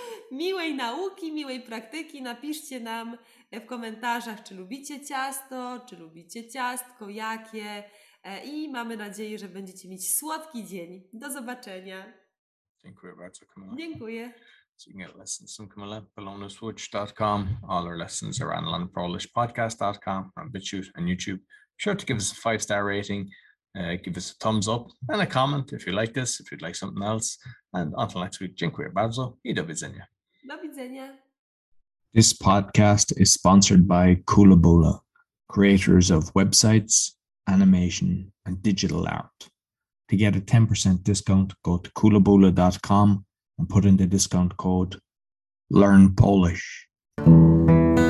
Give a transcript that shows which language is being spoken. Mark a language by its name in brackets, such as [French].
[Polish] Miłej nauki, miłej praktyki. Napiszcie nam w komentarzach, czy lubicie ciasto, czy lubicie ciastko, jakie. I mamy nadzieję, że będziecie mieć słodki dzień. Do zobaczenia. Dziękuję bardzo, Kamila. Dziękuję. [English] So you can get lessons from Kamila, bolognaswitch.com. All our lessons are on learnpolishpodcast.com, on BitChute and YouTube. Be sure to give us a 5-star rating, give us a thumbs up and a comment if you like this, if you'd like something else. And until next week, [Polish] dziękuję bardzo i do widzenia. Do widzenia. [English] This podcast is sponsored by Koolaboola, creators of websites, animation, and digital art. To get a 10% discount, go to koolaboola.com and put in the discount code LearnPolish.